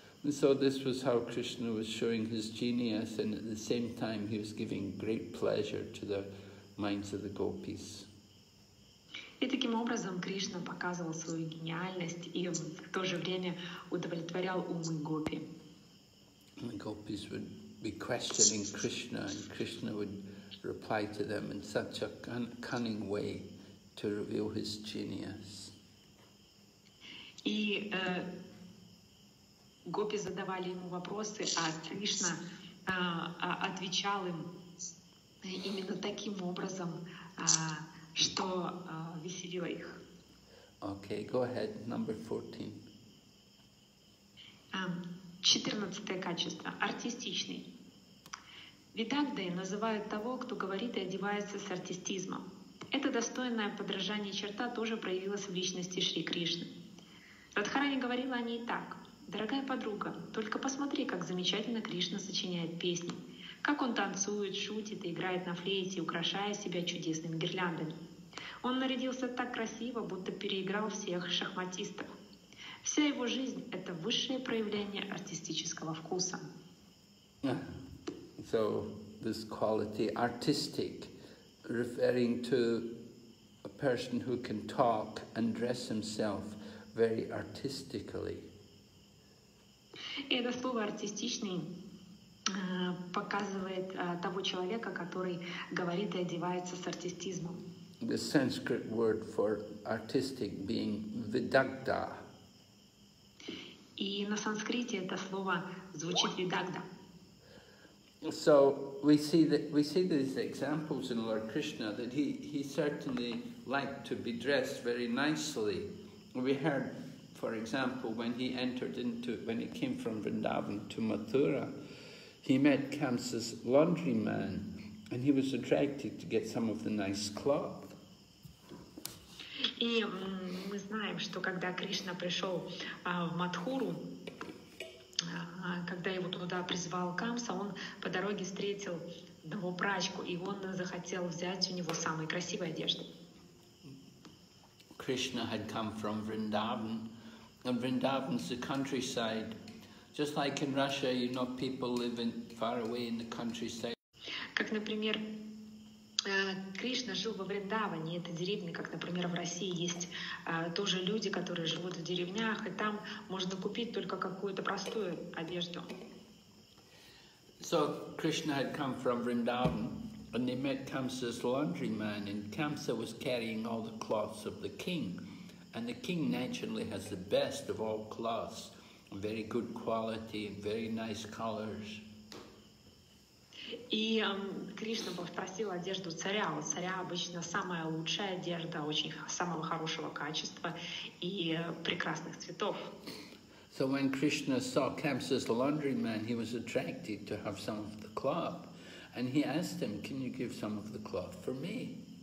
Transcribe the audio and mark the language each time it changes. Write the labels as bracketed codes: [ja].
[en] So this was how Krishna was showing his genius, and at the same time he was giving great pleasure to the minds of the gopis. [ru] И таким образом Кришна показывал свою гениальность и в то же время удовлетворял умы гопи. [en] The gopis would be questioning Krishna, and Krishna would reply to them in such a cunning way to reveal his genius. [ru] И гопи задавали ему вопросы, а Кришна отвечал им именно таким образом, что веселило их. [en] Okay, go ahead, number 14. [ru] 14 качество. Артистичный. Видагдой называют того, кто говорит и одевается с артистизмом. Это достойное подражание черта тоже проявилась в личности Шри Кришны. Радхарани говорила о ней так. «Дорогая подруга, только посмотри, как замечательно Кришна сочиняет песни, как он танцует, шутит и играет на флейте, украшая себя чудесными гирляндами. Он нарядился так красиво, будто переиграл всех шахматистов. Вся его жизнь — это высшее проявление артистического вкуса». [en] So this quality, artistic, referring to a person who can talk and dress himself very artistically. [ru] Это слово «артистичный» показывает того человека, который говорит и одевается с артистизмом. [en] The Sanskrit word for artistic being vidagdha. [ru] И на санскрите это слово звучит vidagdha. [en] So we see these examples in Lord Krishna that he certainly liked to be dressed very nicely. We heard, for example, when he came from Vrindavan to Mathura, he met Kamsa's laundry man, and he was attracted to get some of the nice cloth. [ru] И мы знаем, что когда Кришна пришел в Матхуру, когда его туда призвал Камса, он по дороге встретил одного прачку, и он захотел взять у него самые красивые одежды. [en] Krishna had come from Vrindavan, and Vrindavan's the countryside. Just like in Russia, you know, people live in far away in the countryside. [ru] Как, например, Кришна жил во Вриндаване, это деревни, как, например, в России есть тоже люди, которые живут в деревнях, и там можно купить только какую-то простую одежду. [en] So Krishna had come from Vrindavan, and they met Kamsa's laundry man, and Kamsa was carrying all the cloths of the king, and the king naturally has the best of all cloths, very good quality, very nice colors. [ru] И Кришна попросил одежду царя. У царя обычно самая лучшая одежда, самого хорошего качества и прекрасных цветов. [en] So when Krishna saw Kamsa's laundry man, he was attracted to have some of the cloth. And he asked him, can you give some of the cloth for me?